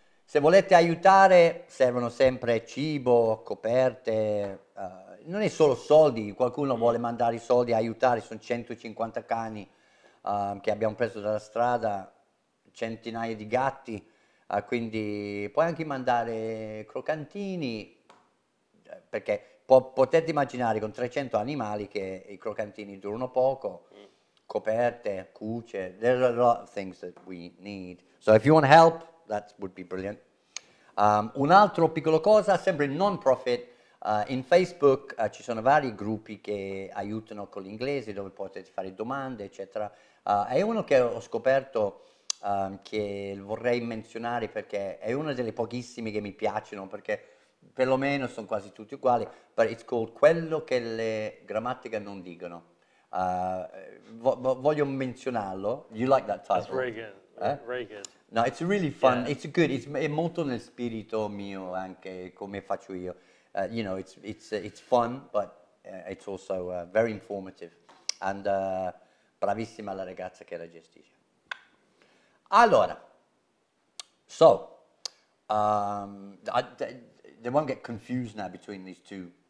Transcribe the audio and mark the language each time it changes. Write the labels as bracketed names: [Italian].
[Italian] Se volete aiutare, servono sempre cibo, coperte, non è solo soldi, qualcuno vuole mandare I soldi a aiutare, sono 150 cani che abbiamo preso dalla strada, centinaia di gatti, quindi puoi anche mandare croccantini, perché potete immaginare con 300 animali che I croccantini durano poco, coperte, cuce, [English] there are a lot of things that we need. So if you want help, that would be brilliant. [Italian] Un altro piccolo cosa, sempre non profit, in Facebook ci sono vari gruppi che aiutano con l'inglese, dove potete fare domande, eccetera. È uno che ho scoperto che vorrei menzionare perché è una delle pochissime che mi piacciono, perché perlomeno sono quasi tutti uguali, [English] but it's called [Italian] Quello che le grammatica non dicono. Voglio menzionarlo. [English] You like that title? That's very good. Very good. No, it's really fun. Yeah. It's good. [Italian] È molto nel spirito mio anche come faccio io. [English] You know, it's fun, but it's also very informative. [Italian] And bravissima la ragazza che la gestisce. Allora, [English] so they won't get confused now between these two.